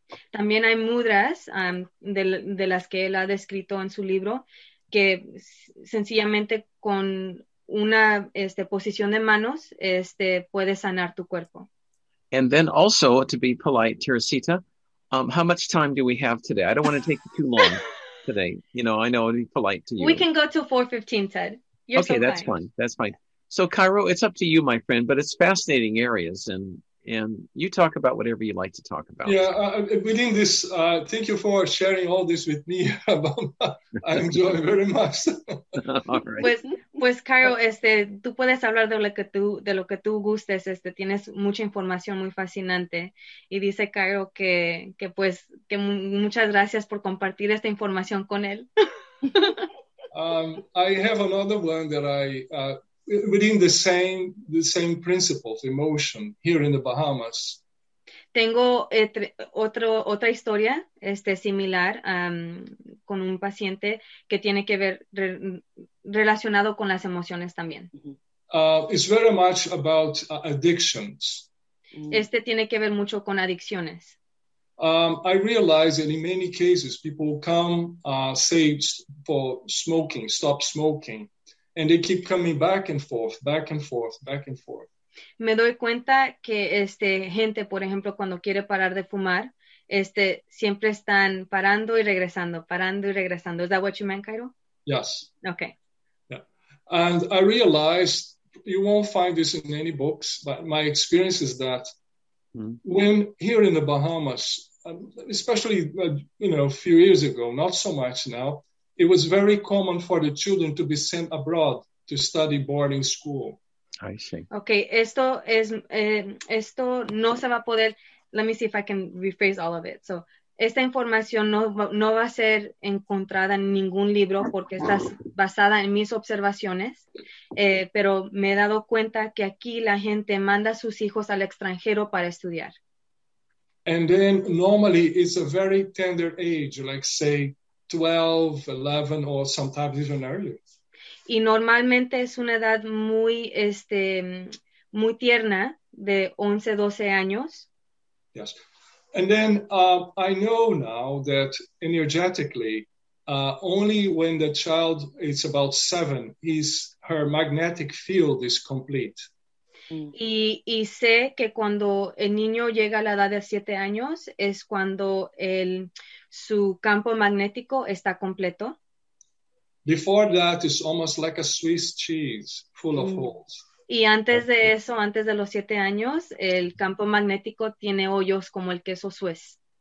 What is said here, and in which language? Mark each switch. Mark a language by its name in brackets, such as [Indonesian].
[Spanish] También hay mudras de las que él ha descrito en su libro que sencillamente con una posición de manos puede sanar tu cuerpo. [English] And then also, to be polite, Teresita, how much time do we have today? I don't want to take too long today. You know, I know it'd be polite to you. We can go till 4:15, Ted. That's fine. So, Cairo, it's up to you, my friend, but it's fascinating areas. And you talk about whatever you like to talk about. Yeah, within this, thank you for sharing all this with me. I enjoy very much. All right. [Spanish] Pues Cairo, tú puedes hablar de lo que tú gustes. Tienes mucha información muy fascinante. Y dice Cairo que muchas gracias por compartir esta información con él. [English] I have another one that I... within the same principles, emotion, here in the Bahamas. [Spanish] Tengo otra historia similar con un paciente que tiene que ver relacionado con las emociones también. [English] It's very much about addictions. [Spanish] Tiene que ver mucho con adicciones. [English] I realize that in many cases people come, say, for smoking, stop smoking. And they keep coming back and forth, back and forth, back and forth. [Spanish] Me doy cuenta que gente, por ejemplo, cuando quiere parar de fumar, siempre están parando y regresando, parando y regresando. [English] Is that what you meant, Cairo? Yes. Okay. Yeah. And I realized, you won't find this in any books, but my experience is that When here in the Bahamas, especially, you know, a few years ago, not so much now, it was very common for the children to be sent abroad to study boarding school. I see. Okay, [Spanish] esto es, esto no se va a poder, [English] let me see if I can rephrase all of it. [Spanish] So, esta información no va a ser encontrada en ningún libro porque está basada en mis observaciones, pero me he dado cuenta que aquí la gente manda a sus hijos al extranjero para estudiar. [English] And then normally it's a very tender age, like say 12, 11, or sometimes even earlier. [Spanish] Y normalmente es una edad muy, muy tierna, de 11, 12 años. [English] Yes. And then I know now that energetically, only when the child is about 7, her magnetic field is complete. [Spanish] Y sé que cuando el niño llega a la edad de 7 años es cuando su campo magnético está completo. [English] Before that, it's almost like a Swiss cheese full of holes. [Spanish] Y antes de eso, antes de los 7 años, el campo magnético tiene hoyos como el queso Swiss.